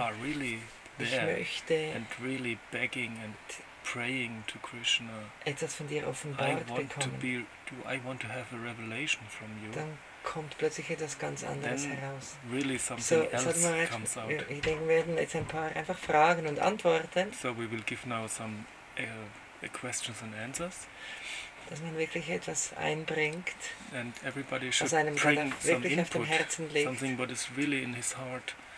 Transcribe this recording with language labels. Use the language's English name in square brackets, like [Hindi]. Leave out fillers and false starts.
[English] Are really there and really begging and praying to Krishna. [German] Etwas von dir offenbart bekommen. [English] I want to have a revelation from you. [German] Dann kommt plötzlich etwas ganz anderes heraus. [English] Really something else comes out. [German] Ich denke, wir werden jetzt ein paar einfach Fragen und Antworten. [English] So we will give now some questions and answers. [German] Dass man wirklich etwas einbringt. [English] And everybody should bring some input, something what is really in his heart.